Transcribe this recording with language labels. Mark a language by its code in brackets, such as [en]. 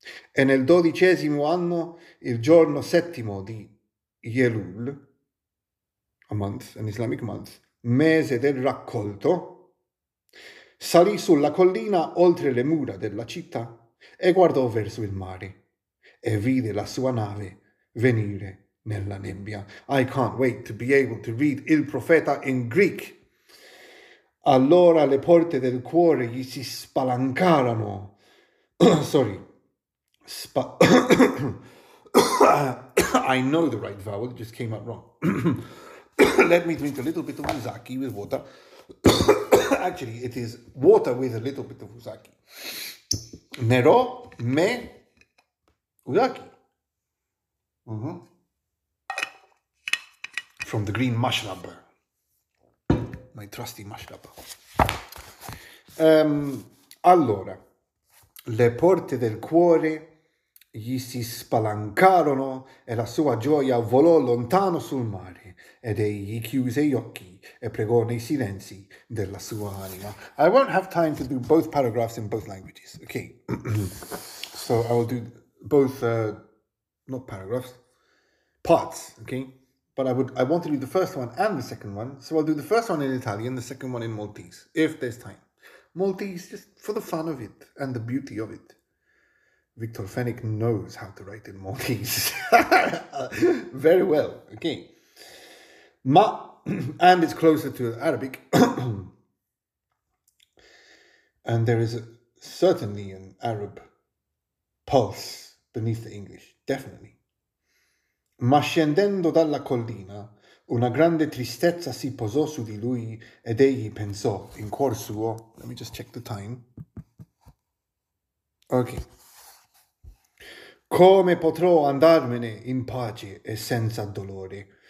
[it] E nel 12° anno, il giorno 7° di Elul, [en] a month, an Islamic month, [it] mese del raccolto, salì sulla collina oltre le mura della città e guardò verso il mare e vide la sua nave venire nella nebbia. [en] I can't wait to be able to read Il Profeta in Greek. [it] Allora le porte del cuore gli si spalancarono [en] Sorry. Spa. I know the right vowel, it just came out wrong. Let me drink a little bit of uzaki with water. Actually, it is water with a little bit of uzaki. [el] Nero me uzaki. [en] From the green mashrab. My trusty mashrab. [it] Allora, le porte del cuore gli si spalancarono e la sua gioia volò lontano sul mare ed egli chiuse gli occhi e pregò nei silenzi della sua anima. [en] I won't have time to do both paragraphs in both languages. Okay, so I will do both, not paragraphs, parts, okay? But I want to do the first one and the second one, so I'll do the first one in Italian, the second one in Maltese, if there's time. Maltese, just for the fun of it and the beauty of it. Victor Fenech knows how to write in Maltese. Very well, okay. Ma, and it's closer to Arabic. And there is certainly an Arab pulse beneath the English, definitely. [it] Ma scendendo dalla collina, una grande tristezza si posò su di lui ed egli pensò in cuor suo. [en] Let me just check the time. [it] Okay. Come potrò andarmene in pace e senza dolore?